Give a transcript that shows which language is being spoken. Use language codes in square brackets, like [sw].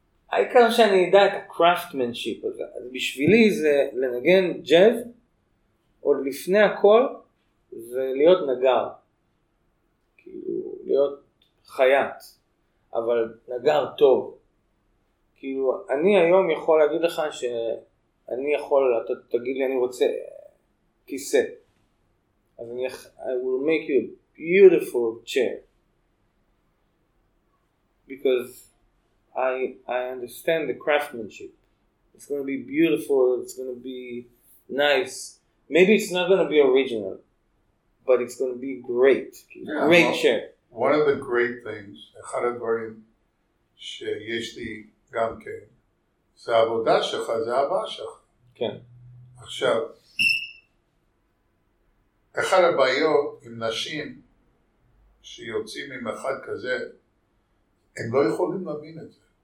[he] העיקר שאני יודע את הקראפטמנשיפ הזה. אז בשבילי זה לנגן ג'אז, עוד לפני הכל, זה להיות נגר. כאילו, להיות חיית, אבל נגר טוב. כאילו, אני היום יכול להגיד לך שאני יכול, אתה תגיד לי, אני רוצה כיסא. אז אני, [en] I will make you beautiful chair because I understand the craftsmanship. It's going to be beautiful, it's going to be nice, maybe it's not going to be original, but it's going to be great. Yeah, great. Well, chair, one of the great things, [he] אחד הדברים שיש לי גם כן, זה העבודה שלך, זה אהבה שלך. כן. עכשיו, אחד הבעיות עם נשים שיוצאים עם אחד כזה, הם לא יכולים להבין את זה.